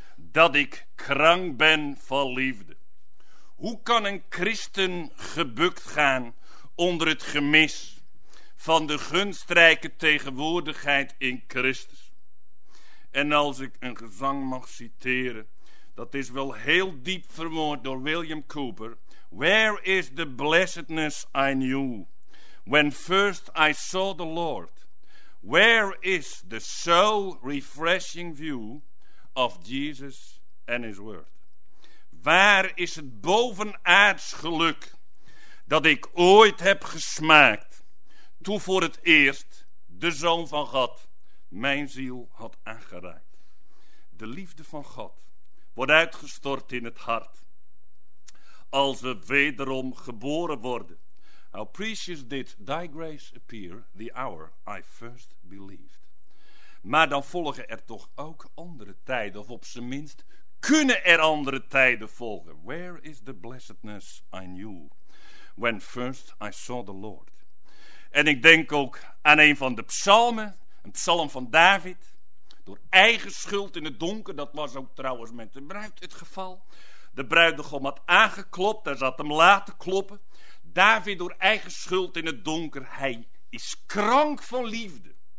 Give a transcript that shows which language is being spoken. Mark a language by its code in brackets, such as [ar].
[nl] Dat ik krank ben van liefde. Hoe kan een christen gebukt gaan onder het gemis van de gunstrijke tegenwoordigheid in Christus? En als ik een gezang mag citeren, dat is wel heel diep verwoord door William Cooper. [en] Where is the blessedness I knew when first I saw the Lord? Where is the soul refreshing view of Jesus and his word? [nl] Waar is het bovenaards geluk dat ik ooit heb gesmaakt toen voor het eerst de Zoon van God mijn ziel had aangeraakt? De liefde van God wordt uitgestort in het hart als we wederom geboren worden. [en] How precious did thy grace appear the hour I first believed. [nl] Maar dan volgen er toch ook andere tijden, of op zijn minst kunnen er andere tijden volgen. [en] Where is the blessedness I knew when first I saw the Lord? [nl] En ik denk ook aan een van de psalmen, een psalm van David, door eigen schuld in het donker, dat was ook trouwens met de bruid het geval. De bruidegom had aangeklopt, hij zat hem laten kloppen. David door eigen schuld in het donker, hij is krank van liefde.